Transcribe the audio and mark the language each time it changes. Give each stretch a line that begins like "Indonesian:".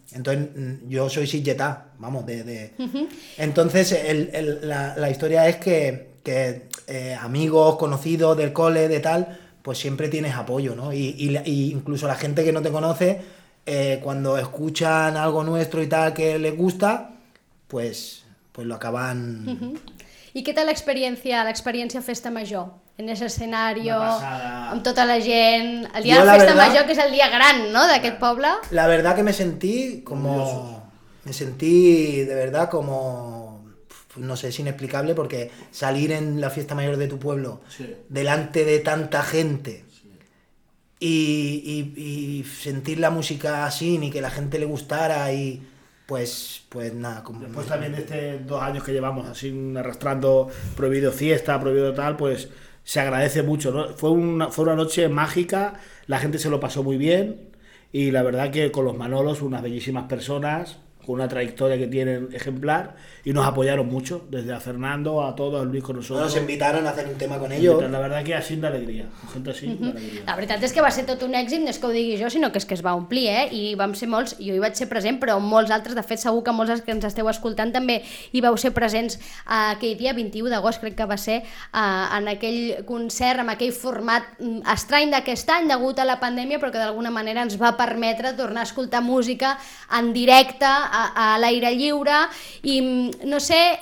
Spanish: Entonces, yo soy sitjatá, vamos, de... Entonces, la historia es que amigos, conocidos del cole, de tal... pues siempre tienes apoyo, ¿no? Y incluso la gente que no te conoce, cuando escuchan algo nuestro y tal que les gusta, pues, lo acaban... ¿Y qué tal la experiencia Festa Major? En ese escenario,
Catalan: amb tota la gent... El dia de Festa Major, que és el dia gran, no?, d'aquest poble.
Spanish: La verdad que me sentí como... Me sentí de verdad como... No sé, es inexplicable, porque salir en la Fiesta Mayor de tu pueblo, sí, delante de tanta gente, sí, y sentir la música así, ni que la gente le gustara, y pues nada. Como después también de estos 2 años que llevamos así arrastrando prohibido fiesta, prohibido tal, pues se agradece mucho, ¿no? Fue una noche mágica, la gente se lo pasó muy bien, y la verdad que con los Manolos, unas bellísimas personas, con una trayectoria que tienen ejemplar, y nos apoyaron mucho, desde a Fernando, a todos, a Luis con nosotros. Nos invitaron a hacer un tema con ellos. La verdad que así de alegría, gente así de alegría.
Catalan: La veritat és que va ser tot un èxit, no és que ho digui jo, sinó que és que es va omplir, i vam ser molts, jo hi vaig ser present, però molts altres, de fet segur que molts que ens esteu escoltant també hi vau ser presents aquell dia, 21 d'agost crec que va ser, en aquell concert, en aquell format estrany d'aquest any, degut a la pandèmia, però que d'alguna manera ens va permetre tornar a escoltar música en directe, a l'aire lliure, i no sé,